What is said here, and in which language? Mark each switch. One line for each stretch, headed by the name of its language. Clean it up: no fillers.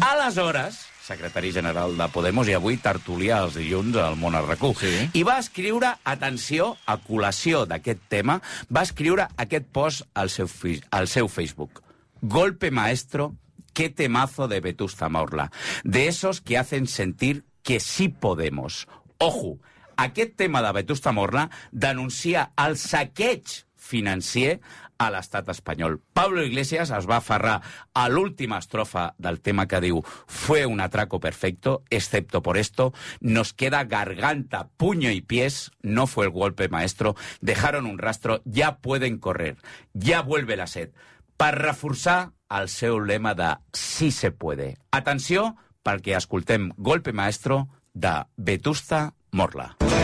Catalan: Aleshores, secretari general de Podemos, i avui tertulià els dilluns al Món RQ. Sí. I va escriure, atenció, a col·lació d'aquest tema, va escriure aquest post al seu Facebook.
Spanish: Golpe maestro. ¡Qué temazo de Vetusta Morla! De esos que hacen sentir que sí podemos. ¡Ojo!
Catalan: Aquest tema de Vetusta Morla denuncia el saqueig financier a l'estat espanyol. Pablo Iglesias es va aferrar a l'última estrofa del tema que diu
Spanish: «Fue un atraco perfecto, excepto por esto, nos queda garganta, puño y pies, no fue el golpe maestro, dejaron un rastro, ya pueden correr, ya vuelve la sed».
Catalan: Per reforçar el seu lema de
Spanish: «Sí se puede».
Catalan: Atenció, perquè escoltem Golpe Maestro de Vetusta Morla.